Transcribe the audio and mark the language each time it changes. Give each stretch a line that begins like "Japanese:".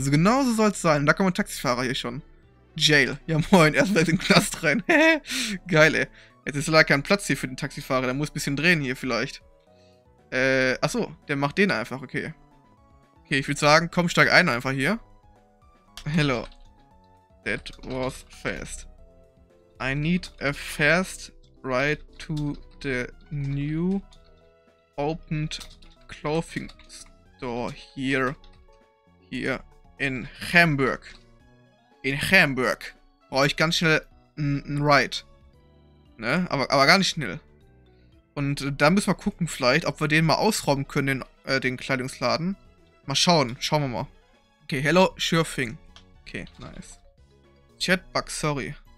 German: Genau so soll's sein. Und da kommt mein Taxifahrer hier schon. Jail. Ja, moin. Erstmal in den Knast rein. Geil, ey. Jetzt ist leider kein Platz hier für den Taxifahrer. Der muss ein bisschen drehen hier vielleicht. Achso, der macht den einfach, okay. Okay, ich würde sagen, komm, steig ein einfach hier.
English: Hello. That was fast. I need a fast ride to the new opened clothing store here in Hamburg.
German: In Hamburg brauche ich ganz schnell einen Ride. Ne? Aber ganz schnell. Und dann müssen wir gucken vielleicht, ob wir den mal ausrauben können, den Kleidungsladen. Mal schauen. Schauen wir mal.
English: Okay, hello, sure thing. Okay, nice. Chatbug, sorry.